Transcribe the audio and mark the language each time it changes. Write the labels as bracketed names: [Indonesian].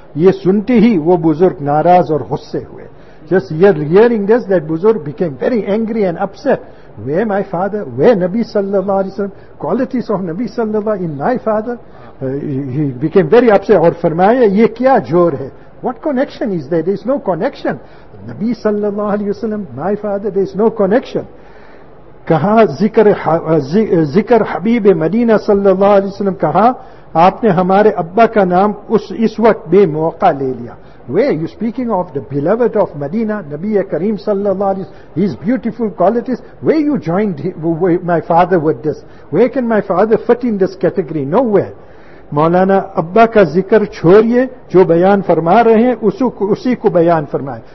[Urdu] Ye sunte hi wo buzurg naraz aur ghusse huye. [English] Just hearing this, that buzurg became very angry and upset. Where my father? Where Nabi sallallahu alayhi wa sallam? Qualities of Nabi sallallahu alayhi wa sallam in my father? He became very upset. [Urdu] Aur farmaya, ye kya jor hai? [English] What connection is there? There is no connection. Nabi sallallahu alayhi wa sallam, my father, there is no connection. [Urdu] کہا ذکر حبیب مدینہ صلی اللہ علیہ وسلم, کہا آپ نے ہمارے ابا کا نام اس وقت بے موقع لے لیا. [English] Where you speaking of the beloved of Medina, Nabi Kareem صلی اللہ علیہ وسلم, his beautiful qualities, where you joined my father with this? Where can my father fit in this category? Nowhere. [Urdu] مولانا ابا کا ذکر چھوڑیے, جو بیان فرما رہے ہیں اسی کو بیان فرمائے.